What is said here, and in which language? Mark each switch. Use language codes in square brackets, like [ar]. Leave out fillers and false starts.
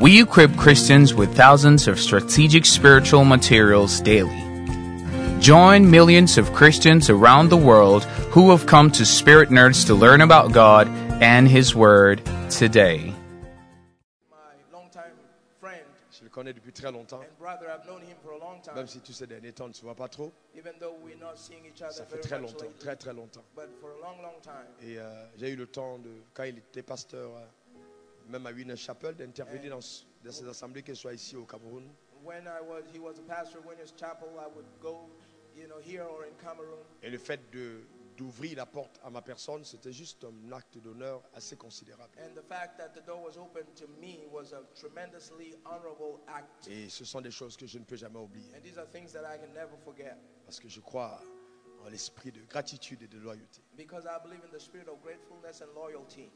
[en] We equip Christians with thousands of strategic spiritual materials daily. Join millions of Christians around the world who have come to Spirit Nerds to learn about God and His Word today. My longtime friend, [fr] je le connais depuis très longtemps. [en] And brother, I've known him for a long time. [fr] Même si tous ces derniers temps, on ne se voit pas trop. [en] Even though we're not seeing each other [fr] ça fait très longtemps, [en] lately, [fr] très très longtemps. [en] But for a long, long time. [fr] Et j'ai eu le temps, de, quand il était pasteur, même à Winner Chapel, d'intervenir dans, dans ces assemblées, qu'elles soient ici au Cameroun. [en] When I was, he was a pastor of Winner's Chapel, I would go, you know, here or in Cameroon. [fr] Et le fait de, d'ouvrir la porte à ma personne, c'était juste un acte d'honneur assez considérable. [en] And the fact that the door was open to me was a tremendously honorable act. [fr] Et ce sont des choses que je ne peux jamais oublier. [en] And these are things that I can never forget. [fr] Parce que je crois en l'esprit de gratitude et de loyauté. [en] Because I believe in the spirit of gratefulness and loyalty.